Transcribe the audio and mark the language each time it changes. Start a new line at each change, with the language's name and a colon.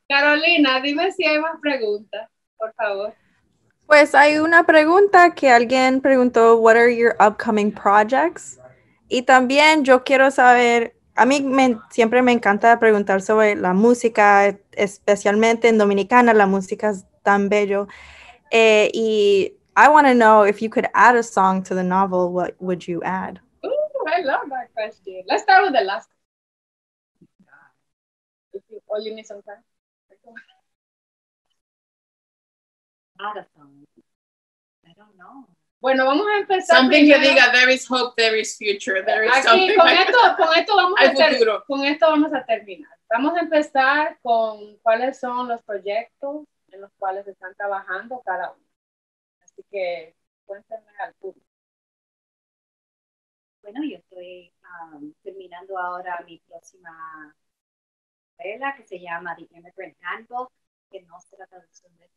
Spanish: Carolina, dime si hay más preguntas, por favor. Pues hay una pregunta que alguien preguntó,
English: what are your upcoming projects?
Spanish: Y también yo quiero saber, a mí siempre me encanta preguntar sobre la música, especialmente en Dominicana, la música es tan bello.
English: Y I want to know if you could add a song to the novel, what would you add? Ooh, I love that question. Let's start with the last one. Oh, you need some time? I don't know.
Spanish: Bueno, vamos a empezar.
English: Something
Spanish: que diga,
English: there is hope, there is future, there is
Spanish: aquí,
English: something.
Spanish: Con esto vamos a terminar. Vamos a empezar con cuáles son los proyectos en los cuales están trabajando cada uno. Así que cuéntenme al público. Bueno, yo estoy terminando ahora mi próxima novela que se llama The Immigrant Handbook, que no se trata de eso.